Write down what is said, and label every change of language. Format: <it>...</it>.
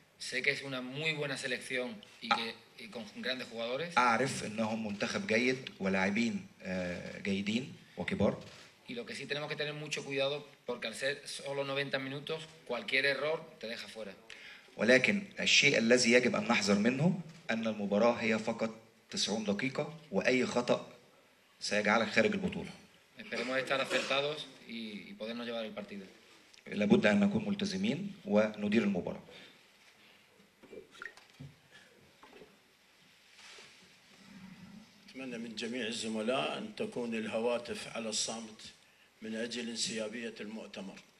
<es>Sé que es una muy buena selección y que y con grandes jugadores.</es> <ar>أعرف أنهم منتخب جيد ولاعبين جيدين وكبار.</ar> <es>Y lo que sí tenemos que tener mucho cuidado porque al ser solo 90 minutos cualquier error te deja fuera.</es> <ar>ولكن الشيء الذي يجب أن نحذر منه أن المباراة هي فقط 90 دقيقة وأي خطأ سيجعلك خارج البطولة.</ar> <es>Esperemos estar acertados y podernos llevar el partido.</es> <ar>لابد أن نكون ملتزمين وندير المباراة. أتمنى من جميع الزملاء أن تكون الهواتف على الصامت من أجل انسيابية المؤتمر.</ar>